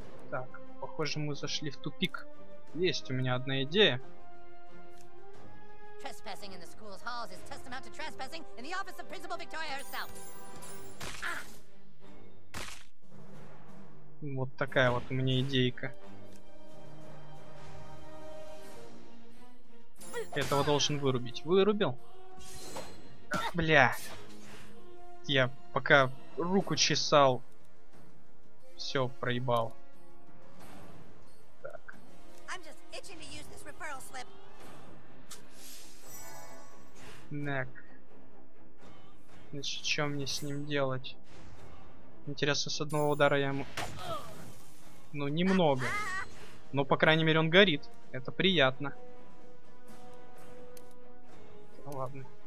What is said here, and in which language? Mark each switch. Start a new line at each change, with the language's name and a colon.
Russian: Так, похоже, мы зашли в тупик. Есть у меня одна идея.
English: Trespassing in the school's halls is testament to trespassing in the office of Principal Victoria herself.
Russian: Вот такая вот у меня идейка. Этого должен вырубить. Вырубил? Бля. Я пока руку чесал, все проебал. Так.
English: I'm just itching to use this referral slip.
Russian: Так. Значит, что мне с ним делать? Интересно, с одного удара я ему... Ну, немного. Но, по крайней мере, он горит. Это приятно. Да, ладно.